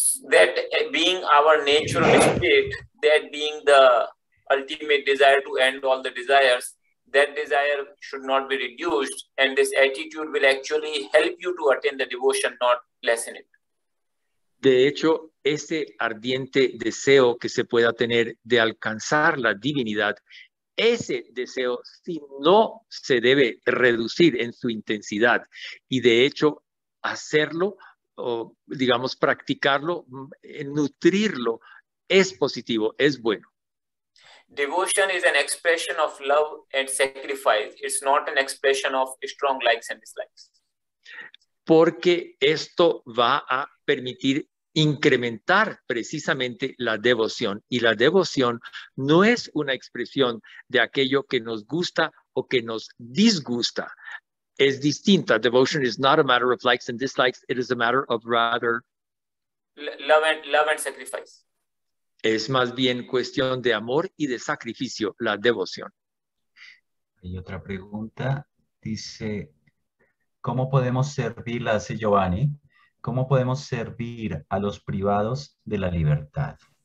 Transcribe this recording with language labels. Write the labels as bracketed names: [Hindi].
[English] That being our natural state, that being the ultimate desire to end all the desires, that desire should not be reduced, and this attitude will actually help you to attain the devotion, not lessen it. [Spanish] De hecho, ese ardiente deseo que se pueda tener de alcanzar la divinidad, ese deseo si no se debe reducir en su intensidad, y de hecho hacerlo, o digamos practicarlo, nutrirlo, es positivo, es bueno. [English] Devotion is an expression of love and sacrifice. It's not an expression of strong likes and dislikes. [Spanish] Porque esto va a permitir incrementar precisamente la devoción. Y la devoción no es una expresión de aquello que nos gusta o que nos disgusta. Es distinta. [English] Devotion is not a matter of likes and dislikes. It is a matter of rather... Love and sacrifice. [Spanish] Es más bien cuestión de amor y de sacrificio, la devoción. Hay otra pregunta. Dice, ¿cómo podemos servir, la hace Giovanni, cómo podemos servir a los privados de la libertad?